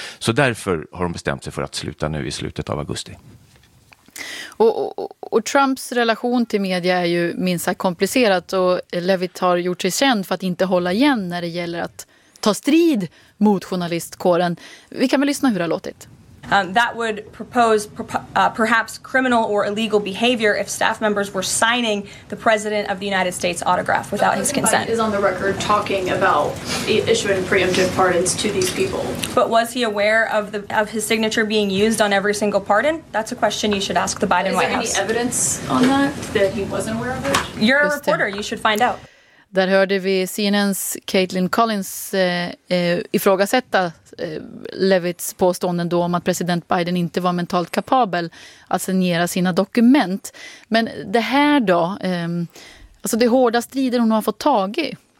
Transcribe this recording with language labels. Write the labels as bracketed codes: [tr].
[sv] Så därför har hon bestämt sig för att sluta nu i slutet av augusti. Och Trumps relation till media är ju minst sagt komplicerat, och Leavitt har gjort sig känd för att inte hålla igen när det gäller att ta strid mot journalistkåren. Vi kan väl lyssna hur det har låtit. [en] That would propose perhaps criminal or illegal behavior if staff members were signing the president of the United States autograph without his consent. Biden is on the record talking about issuing preemptive pardons to these people. But was he aware of his signature being used on every single pardon? That's a question you should ask the Biden White House. Is there any evidence on that he wasn't aware of it? You're a reporter. You should find out. [sv] Där hörde vi CNNs Caitlin Collins ifrågasätta Leavitts påståenden då om att president Biden inte var mentalt kapabel att signera sina dokument. Men det här då, alltså det hårda strider hon har fått tag i.